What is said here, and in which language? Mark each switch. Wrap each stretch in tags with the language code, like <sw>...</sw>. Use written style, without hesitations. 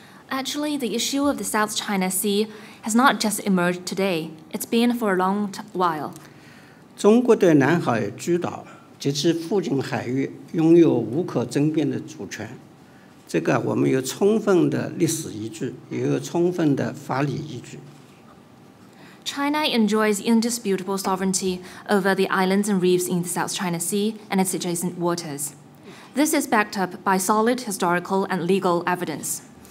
<en>Actually, the issue of the South China Sea has not just emerged today. It's been for a long while.</en> <zh>中国对南海诸岛及其附近海域拥有无可争辩的主权，这个我们有充分的历史依据，也有充分的法理依据。</zh> <en>China enjoys indisputable sovereignty over the islands and reefs in the South China Sea and its adjacent waters. This is backed up by solid historical and legal evidence.</en>